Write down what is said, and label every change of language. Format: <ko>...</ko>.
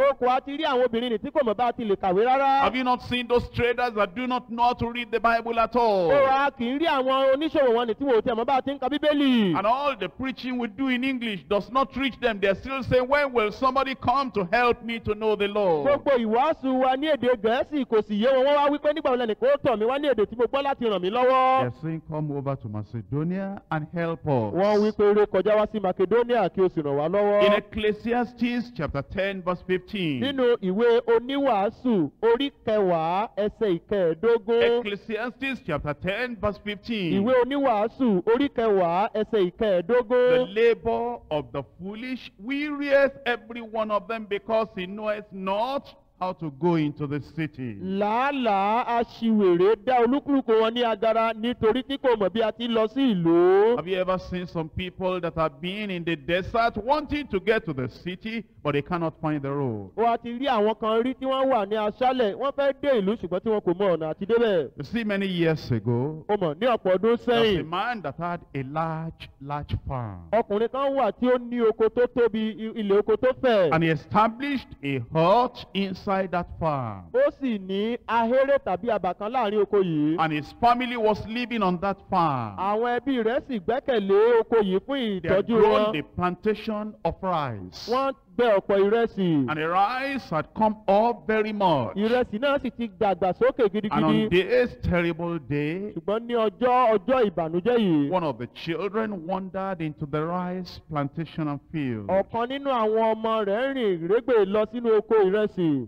<yo>O kò wá ti rí àwọn obìnrin ni tí kò mọ̀ bá ti lè kàwé rárá.</yo> <en>Have you not seen those traders that do not know how to read the Bible at all?</en> <yo>O wa kì í rí àwọn oníṣòwò wọn ni tí wọn ò tiẹ̀ mọ̀ bá ti ń ka Bíbélì.</yo> <en>And all the preaching we do in English does not reach them. They are still saying, when will somebody come to help me to know the Lord?</en> <yo>Gbogbo ìwàásù wa ní èdè Gẹ̀ẹ́sì kò sì yé wọn. Wọ́n wá wípé nígbà wọlé nìkan ó tọ̀ mí wá ní èdè tí mo gbọ́ láti ràn mí lọ́wọ́.</yo> <en>They are saying, come over to Macedonia and help us.</en> <yo>Wọ́n wí pé rè kọjá wá sí Macedonia kí o sì ràn wá lọ́wọ́.</yo> <en>In Ecclesiastes chapter 10 verse 15.</en> <yo>Nínú ìwé oníwàásù orí kẹwàá ẹsẹ̀ ìkẹẹ̀dógún.</yo> <en>Ecclesiastes chapter 10 verse 15.</en> <yo>Ìwé oníwàásù orí kẹwàá ẹsẹ̀ ìkẹẹ̀dógún.</yo> <en>The labor of the foolish wearies every one of them, because he knoweth not how to go into the city.</en> <yo>Lala aṣiwèrè dá olúkúlùkù wọn ní agara nítorí tí kò mọ̀ bí a ti lọ sí ìlú.</yo> <en>Have you ever seen some people that have been in the desert wanting to get to the city, but they cannot find the road?</en> <yo>O àti rí àwọn kan rí tí wọ́n wà ní aṣálẹ̀, wọ́n fẹ́ dé ìlú ṣùgbọ́n tí wọn kò mọ ọ̀nà àti débẹ̀.</yo> <en>You see, many years ago,</en> <yo>o mọ̀ ní ọ̀pọ̀ ọdún sẹ́yìn,</yo> <en>there was a man that had a large farm.</en> <yo>Ọkùnrin kan wà tí ó ní oko tó tóbi, ilé oko tó fẹ̀.</yo> <en>And he established a hut inside that farm.</en> <yo>Ó sì ní ahéré tàbí àbàkan láàrin oko yìí.</yo> <en>And his family was living on that farm.</en> <yo>Àwọn ẹbí rẹ̀ sì gbẹ́kẹ̀lé oko yìí fún ìtọ́jú wọn.</yo> <en>They had grown the plantation of rice.</en> <yo>Wọ́n</yo> <en>And the rice had come up very much. And on this terrible day, one of the children wandered into the rice plantation and field.</en>